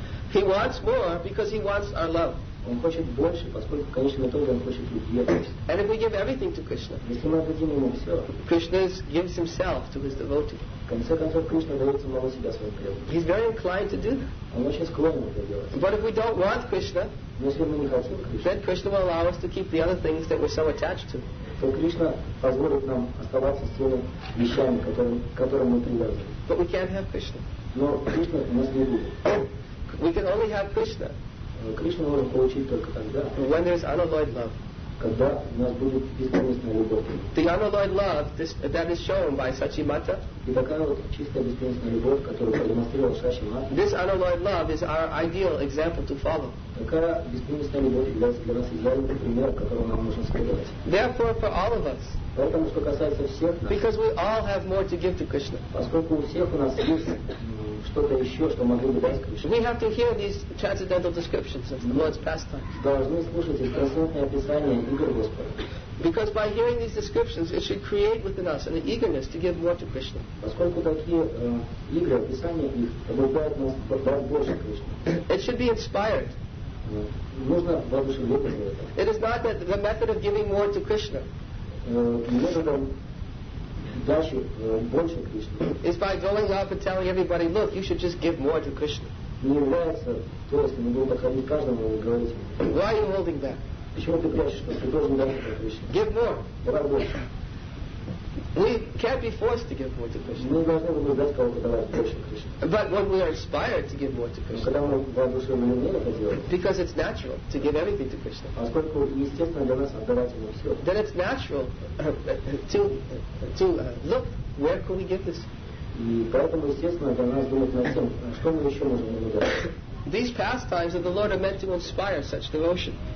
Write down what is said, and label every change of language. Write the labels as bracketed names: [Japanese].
[English] He wants more because he wants our love. [Russian] Он хочет больше, поскольку в конечном итоге он хочет любви. [English] And if we give everything to Krishna, [Russian] если мы отдадим ему все, [English] Krishna gives himself to his devotee. [Russian] В конце концов, Кришна дает самого себя своим преданным. [English] He's very inclined to do that. [Russian] Он очень склонен это делать. [English] But if we don't want Krishna, [Russian] но если мы не хотим Кришну, [English] then Krishna will allow us to keep the other things that we're so attached to. [Russian] То Кришна позволит нам оставаться с теми вещами, которым мы привязаны. [English] But we can't have Krishna. [Russian] Но Кришна у нас не будет. [English] We can only have Krishna. [Russian] Кришну можем получить только тогда. [English] When there is unalloyed love. [Russian] Когда у нас будет бесконечная любовь. [English] The unalloyed love that is shown by Sachimata. [Russian] И такая вот чистая бесконечная любовь, которую продемонстрировал Сачимата. [English] This unalloyed love is our ideal example to follow. [Russian] Такая бесконечная любовь является для нас идеальным примером, которого нам нужно следовать. [English] Therefore, for all of us. [Russian] Поэтому, что касается всех нас. [English] Because we all have more to give to Krishna. [Russian] Поскольку у всех у нас есть что-то еще, что могли бы дать Кришне. [English] We have to hear these transcendental descriptions of the Lord's pastime. [Russian] Должны слушать эти трансцендентные описания игр Господа. [English] Because by hearing these descriptions, it should create within us an eagerness to give more to Krishna. [Russian] Поскольку такие игры, описания их, побуждают нас дать больше Кришне. [English] It should be inspired. [Russian] Нужно воодушевлять это. [English] It is not the method of giving more to Krishna. [Russian] Методом дачи больше Кришне. [English] It's by going up and telling everybody, look, you should just give more to Krishna. [Russian] Не является то, если мы будем доходить каждому и говорить. [English] Why are you holding that? [Russian] Почему ты прячешь, что ты должен дать это Кришне? [English] Give more. [Russian] Давай больше. [English] We can't be forced to give more to Krishna. [Russian] Мы должны были дать кого-то давать больше Кришне. [English] But when we are inspired to give more to Krishna. [Russian] Когда мы воодушевлены это делать. [English] Because it's natural to give everything to Krishna. [Russian] Поскольку естественно для нас отдавать ему все. [English] Then it's natural to look where can we give this. [Russian] И поэтому естественно для нас думать над тем, что мы еще можем ему дать. [English] These pastimes of the Lord are meant to inspire such devotion.